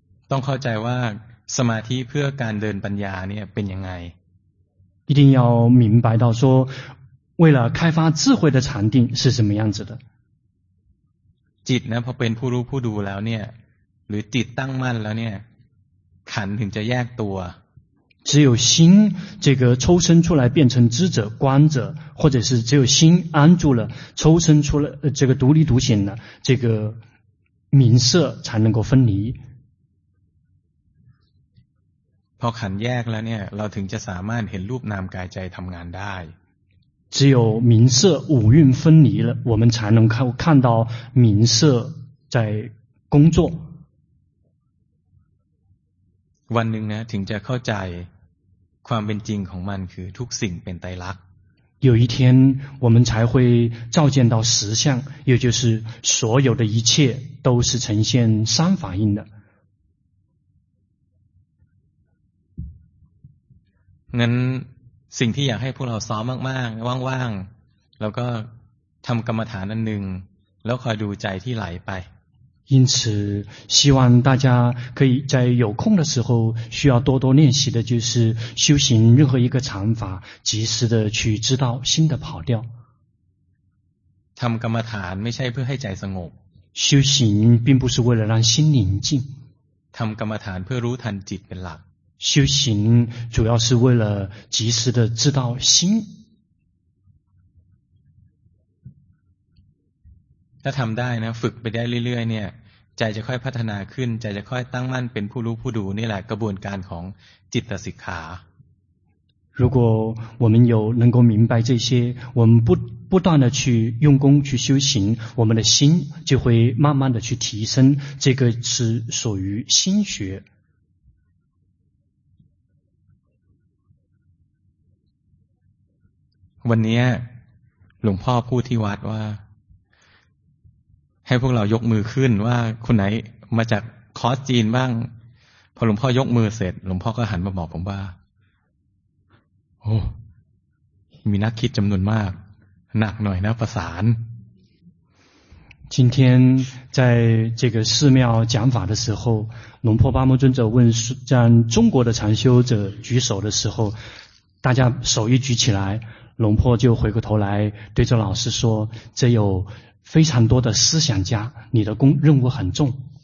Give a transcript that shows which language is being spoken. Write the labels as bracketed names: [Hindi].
[Thai] ต้องเข้าใจว่าสมาธิเพื่อการเดินปัญญาเนี่ยเป็นยังไง [Chinese] 一定要明白到说为了开发智慧的禅定是什么样子的 [Thai] จิตนะพอเป็นผู้รู้ผู้ดูแล้วเนี่ยหรือจิตตั้งมั่นแล้วเนี่ยขันธ์ถึงจะแยกตัว [Chinese] 只有心这个抽身出来变成知者观者或者是只有心安住了抽身出了这个独立独显的这个名色才能够分离 [Thai] พอขันแยกแล้วเนี่ยเราถึงจะสามารถเห็นรูปนามกายใจทำงานได้ [Chinese] 只有名色五蕴分离了我们才能看到名色在工作 [Thai] วันหนึ่งนะถึงจะเข้าใจความเป็นจริงของมันคือทุกสิ่งเป็นไตรลักษณ์ [Chinese] 有一天我们才会照见到实相也就是所有的一切都是呈现三法印的 [Thai] งั้นสิ่งที่อยากให้พวกเราซ้อมมากๆว่างๆแล้วก็ทำกรรมฐานอันหนึ่งแล้วคอยดูใจที่ไหลไป [Chinese] 因此希望大家可以在有空的时候需要多多练习的就是修行任何一个禅法及时的去知道心的跑调 [Thai] ทำกรรมฐานไม่ใช่เพื่อให้ใจสงบ [Chinese] 修行并不是为了让心宁静 [Thai] ทำกรรมฐานเพื่อรู้ทันจิตเป็นหลัก [Chinese] 修行主要是为了及时的知道心 [Thai] ถ้าทำได้นะฝึกไปได้เรื่อยๆเนี่ยใจจะค่อยพัฒนาขึ้นใจจะค่อยตั้งมั่นเป็นผู้รู้ผู้ดูนี่แหละกระบวนการของจิตสิกขา [Chinese] 如果我们有能够明白这些我们不断的去用功去修行我们的心就会慢慢的去提升这个是属于心学 [Thai] วันนี้หลวงพ่อพูดที่วัดว่าให้พวกเรายกมือขึ้นว่าคนไหนมาจากคอร์สจีนบ้างพอหลวงพ่อยกมือเสร็จหลวงพ่อก็หันมาบอกผมว่าโอ้มีนักคิดจำนวนมากหนักหน่อยนะประสาน [Chinese] 今天在这个寺庙讲法的时候龙婆巴木尊者问让中国的禅修者举手的时候大家手一举起来龙婆就回过头来对着老师说这有非常多的思想家你的工任务很重